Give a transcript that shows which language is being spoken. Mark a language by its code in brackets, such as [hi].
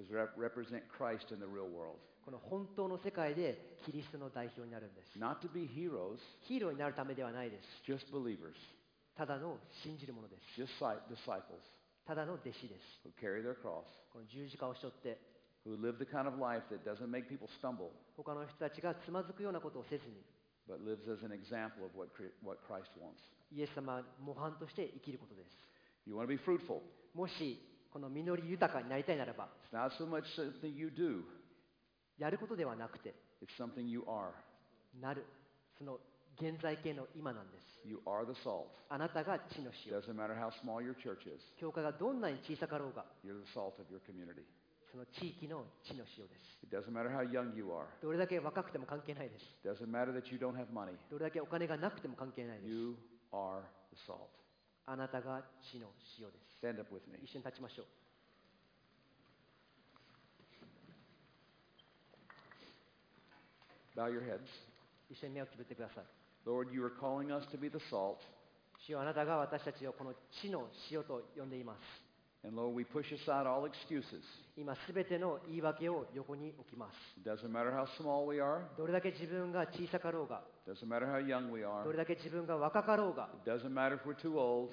[en] to represent Christ in the real world. [ja] この本当の世界でキリストの代表になるんです [en] not to be heroes, [ja] ヒーローになるためではないです [en] just believers. [ja] ただの信じるものです [en] just disciples. [ja] ただの弟子です。 [en] Who carry their cross, [ja] この十字架を背負って、 [en] who live the kind of life that doesn't make people stumble, [ja] 他の人たちがつまずくようなことをせずに、 [en] but lives as an example of what Christ wants. [ja] イエス様模範として生きることです。 [en] You want to be fruitful. [ja] もしこの実り豊かになりたいならば、 [en] it's not so much something you do. [ja] やることではなくて、 [en] it's something you are. [ja] なる。その現在形の今なんです。 [en] You are the salt. [ja] あなたが地の塩。 [en] Doesn't matter how small your church is. [ja] 教会がどんなに小さかろうが。 [en] You're the salt of your community. [ja] その地域の地の塩です。 [en] It doesn't matter how young you are. [ja] どれだけ若くても関係ないです。 [en] Doesn't matter that you don't have money. [ja] どれだけお金がなくても関係ないです。 [en] You are the salt. [ja] あなたが地の塩です。 [en] Stand up with me. [ja] 一緒に立ちましょう。 [en] Bow your heads. [ja] 一緒に目をつぶってください。 [en] Lord, you are calling us to be the salt. [ja] 主よ、あなたが私たちをこの地の塩と呼んでいます。 [en] And Lord, we push aside all excuses. [ja] 今すべての言い訳を横に置きます。 [en] Doesn't matter how small we are. [ja] どれだけ自分が小さかろうが。 [en] Doesn't matter how young we are. [ja] どれだけ自分が若かろうが。 [en] Doesn't matter if we're too old.